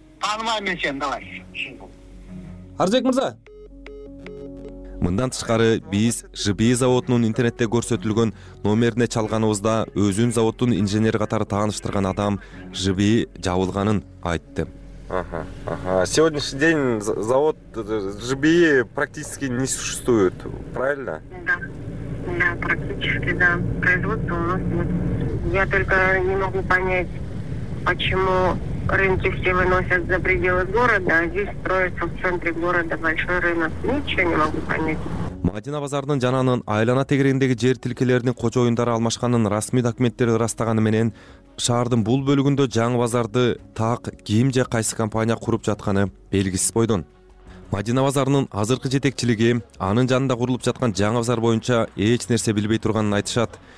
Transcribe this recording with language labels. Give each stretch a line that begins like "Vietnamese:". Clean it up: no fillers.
Kyrgyz: Таанымайм мен сени, давай. Арзыбек мырза. Мындан тышкары биз ЖБИ заводунун интернетте көрсөтүлгөн номерине чалганыбызда өзүн заводдун инженери катары тааныштырган адам ЖБИ жабылганын айтты.
Russian: Сегодняшний день завод ЖБИ практически не существует, правильно? Да. Да, практически, да. Производство у нас нет. Я только не могу понять, почему рынки все выносят за пределы города, а здесь строится в центре города большой рынок. Ничего не могу понять.
Kyrgyz: Мадина базарынын жананын айлана тегерегиндеги жер тилкелеринин кочо уюндары алмашканын расмий документтери ырастаганы менен шаардын бул бөлүгүндө жаңы базарды так ким же кайсы компания куруп жатканы белгисиз бойдон. Мадина базарынын азыркы жетекчилиги анын жанында курулуп жаткан жаңы базар боюнча эч нерсе билбей турганын айтышат.